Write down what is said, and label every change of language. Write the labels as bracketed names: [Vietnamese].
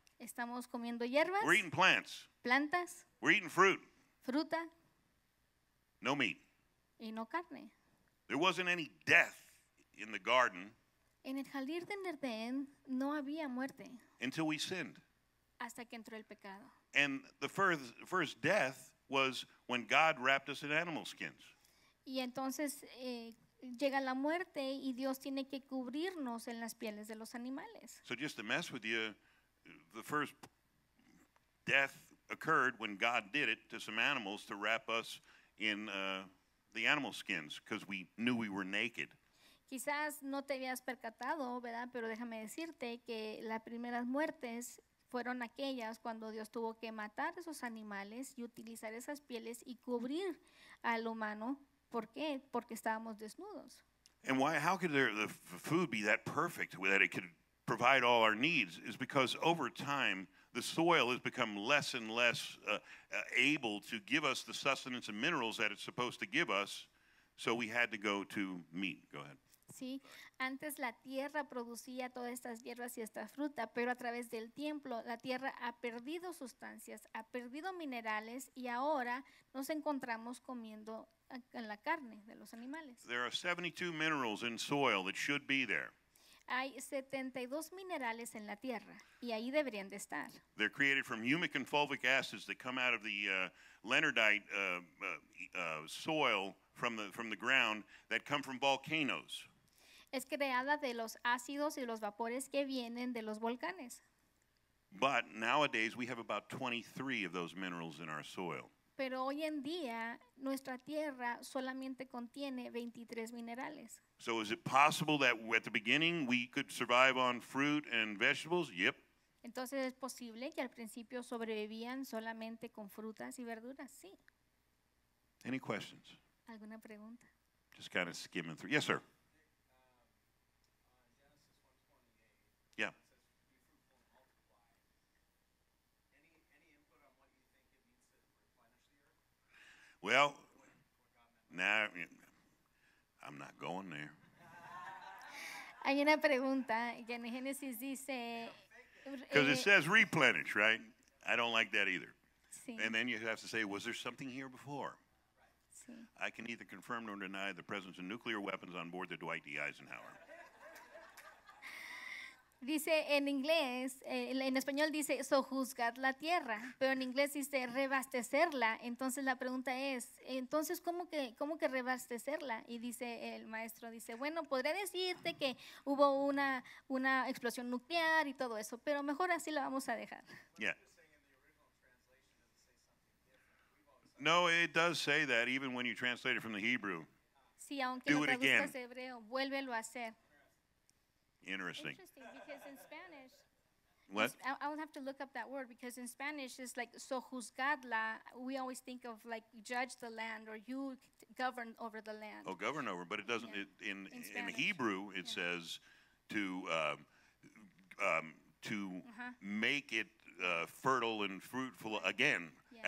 [Spanish] Estamos comiendo hierbas. [English] We're eating plants. [Spanish] Plantas. [English] We're eating fruit. [Spanish] Fruta. [English] No meat. [Spanish] Y no carne. [English] There wasn't any death in the garden. [Spanish] En el jardín de Edén no había muerte. [English] Until we sinned. [Spanish] Hasta que entró el pecado. [English] And the first death was when God wrapped us in animal skins. [Spanish] Y entonces llega la muerte y Dios tiene que cubrirnos en las pieles de los animales. [English] So just to mess with you, the first death occurred when God did it to some animals to wrap us in the animal skins because we knew we were naked. [Spanish] Quizás no te habías percatado, ¿verdad? Pero déjame decirte que las primeras muertes fueron aquellas cuando Dios tuvo que matar esos animales y utilizar esas pieles y cubrir al humano. ¿Por qué? Porque estábamos desnudos. [English] And why, how could the food be that perfect that it could provide all our needs? Is because over time, the soil has become less and less able to give us the sustenance and minerals that it's supposed to give us, so we had to go to meat. Go ahead. [Spanish] Sí, antes la tierra producía todas estas hierbas y esta fruta, pero a través del tiempo la tierra ha perdido sustancias, ha perdido minerales y ahora nos encontramos comiendo en la carne de los animales. [English] There are 72 minerals in soil that should be there. [Spanish] Hay 72 minerales en la tierra y ahí deberían de estar. [English] They're created from humic and fulvic acids that come out of the leonardite soil from the ground that come from volcanoes. [Spanish] Es creada de los ácidos y los vapores que vienen de los volcanes. [English] But nowadays we have about 23 of those minerals in our soil. [Spanish] Pero hoy en día nuestra tierra solamente contiene 23 minerales. [English] So is it possible that at the beginning we could survive on fruit and vegetables? Yep. [Spanish] Entonces es posible que al principio sobrevivían solamente con frutas y verduras? Sí. [English] Any questions? [Spanish] ¿Alguna pregunta? [English] Just kind of skimming through. Yes, sir. Well, now I'm not going there. [Spanish] Hay una pregunta que en Génesis dice. [English] Because it says replenish, right? I don't like that either. Sí. And then you have to say, was there something here before? [Spanish] Sí. [English] I can either confirm nor deny the presence of nuclear weapons on board the Dwight D. Eisenhower. [Spanish] Dice en inglés, en español dice sojuzgar la tierra, pero en inglés dice reabastecerla. Entonces la pregunta es, entonces ¿cómo que reabastecerla? Y dice el maestro, dice, bueno, podría decirte que hubo una explosión nuclear y todo eso, pero mejor así la vamos a dejar. [English] Yeah. No, it does say that even when you translate it from the Hebrew. [Spanish] Sí, aunque lo traduzcas hebreo, vuélvelo a hacer. [English] Interesting. Interesting, because in Spanish, what? I would have to look up that word, because in Spanish it's like sojuzgadla. We always think of like judge the land or you govern over the land. Oh, govern over, but it doesn't. Yeah. It, in Hebrew it yeah. says to uh-huh. make it fertile and fruitful again, yeah.